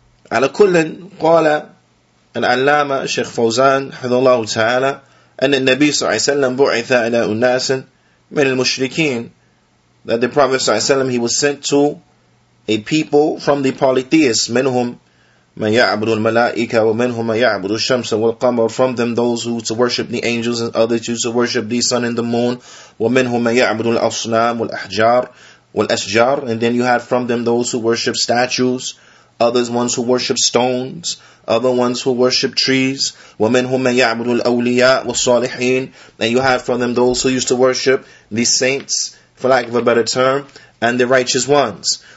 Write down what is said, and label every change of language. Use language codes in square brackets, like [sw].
[ar] على كل قال العلامة شيخ فوزان حفظه الله تعالى أن النبي صلى الله عليه وسلم بعث إلى أناس من المشركين. [en] That the Prophet صلى الله عليه وسلم, he was sent to a people from the polytheists. [ar] منهم من يعبد الملائكة ومنهم من يعبد الشمس والقمر. [en] From them those who to worship the angels and others who to worship the sun and the moon. [ar] ومنهم من يعبد الأصنام والأحجار والأشجار. [en] And then you had from them those who worship statues. Others ones who worship stones, other ones who worship trees, وَمِنْهُمْ مَنْ يَعْبُدُ الْأَوْلِيَاءُ وَالصَّالِحِينَ. And you have from them those who used to worship the saints, for lack of a better term, and the righteous ones.